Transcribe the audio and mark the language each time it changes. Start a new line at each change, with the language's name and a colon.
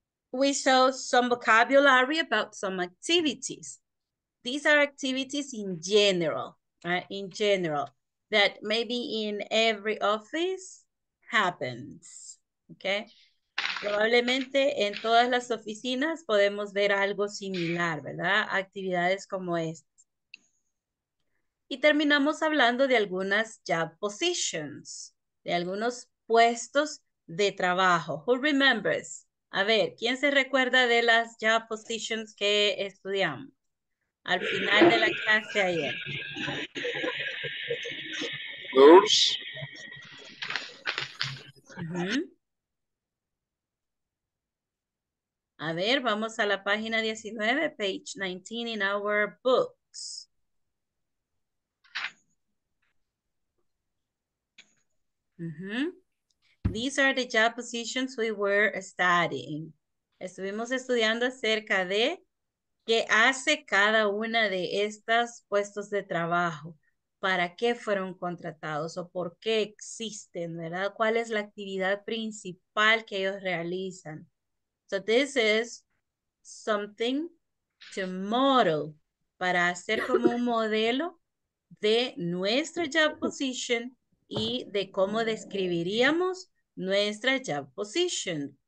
English: We saw some vocabulary about some activities. These are activities in general, right? In general, that maybe in every office happens. Okay?
Spanish: Probablemente en todas las oficinas podemos ver algo similar, ¿verdad? Actividades como estas. Y terminamos hablando de algunas job positions, de algunos puestos de trabajo.
English: Who remembers?
Spanish: A ver, ¿quién se recuerda de las job positions que estudiamos al final de la clase ayer?
English: Nurse.
Spanish: A ver, vamos a la página 19,
English: page 19 in our books. These are the job positions we were studying.
Spanish: Estuvimos estudiando acerca de qué hace cada una de estas puestos de trabajo, para qué fueron contratados o por qué existen, ¿verdad? ¿Cuál es la actividad principal que ellos realizan?
English: So this is something to model,
Spanish: para hacer como un modelo de nuestra job position y de cómo describiríamos nuestra job position.